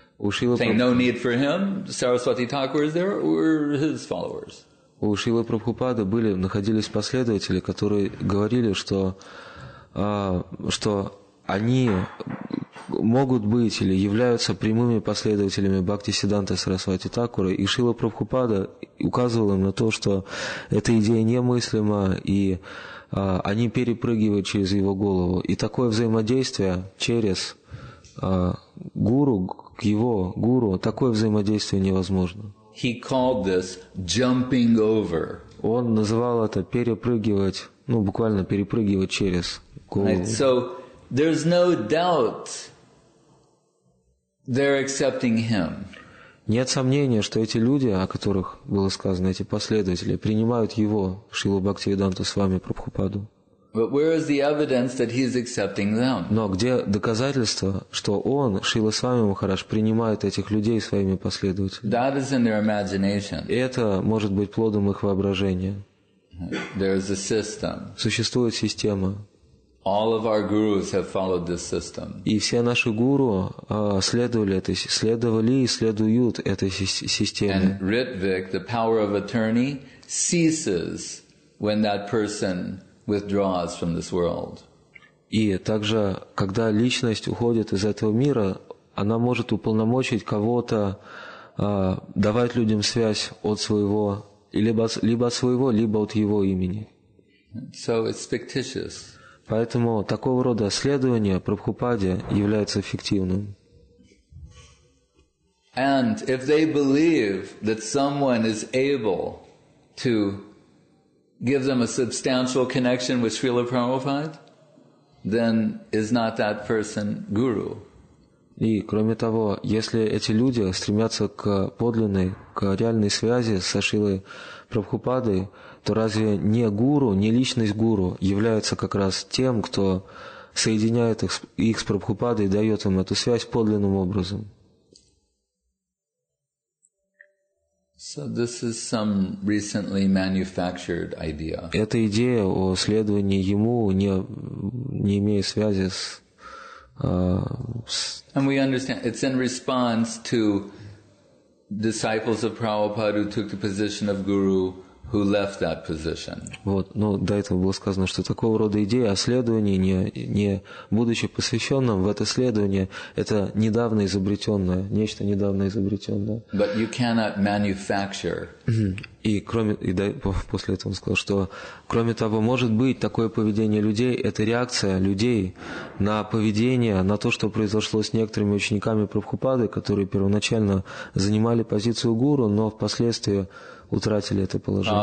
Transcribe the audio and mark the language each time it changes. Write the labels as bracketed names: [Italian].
[English] Saying no need for him, Saraswati Thakur is there, we're his followers. [Russian] У Шрилы Прабхупады находились последователи, которые говорили, что они могут быть или являются прямыми последователями Бхактисиддханты Сарасвати Такура, и Шрила Прабхупада указывал им на то, что эта идея немыслима, и они перепрыгивают через его голову. И такое взаимодействие через гуру. К его гуру такое взаимодействие невозможно. [English] He called this jumping over. [Russian] Он называл это перепрыгивать, ну буквально перепрыгивать через голову. [English] Right. So there's no doubt they're accepting him. [Russian] Нет сомнения, что эти люди, о которых было сказано, эти последователи, принимают его, Шрилу Бхактивиданту Свами Прабхупаду. [English] But where is the evidence that he's accepting them? [Russian] Но где доказательство, что он, Шрила Свами Махарадж, принимает этих людей своими последователями? [English] That is in their imagination. [Russian] Это может быть плодом их воображения. [English] There is a system. [Russian] Существует система. [English] All of our gurus have followed this system. [Russian] И все наши гуру следовали и следуют этой системе. [English] And Ritvik, the power of attorney, ceases when that person withdraws from this world. [Russian] И также, когда личность уходит из этого мира, она может уполномочить кого-то давать людям связь от своего, либо от своего, либо от его имени. [English] So it's fictitious. [Russian] Поэтому такого рода следование Прабхупаде является фиктивным. [English] And if they believe that someone is able to give them a substantial connection with Srila Prabhupada, then is not that person guru. [Russian] И кроме того, если эти люди стремятся к подлинной, к реальной связи со Шрилой Прабхупадой, то разве не гуру, не личность гуру является как раз тем, кто соединяет их с Прабхупадой и дает им эту связь подлинным образом? [English] So this is some recently manufactured idea. [Russian] Эта идея о следовании ему не имеет связи с [English] And we understand it's in response to disciples of Prabhupada who took the position of guru who left that position. [Russian] Вот, но до этого было сказано, что такого рода идея о следовании не будучи посвященным в это следование, это недавно изобретенное, нечто недавно изобретенное. [English] But you cannot manufacture. [Russian] И кроме и после этого он сказал, что кроме того, может быть такое поведение людей это реакция людей на поведение, на то, что произошло с некоторыми учениками Прабхупады, которые первоначально занимали позицию гуру, но впоследствии утратили это положение.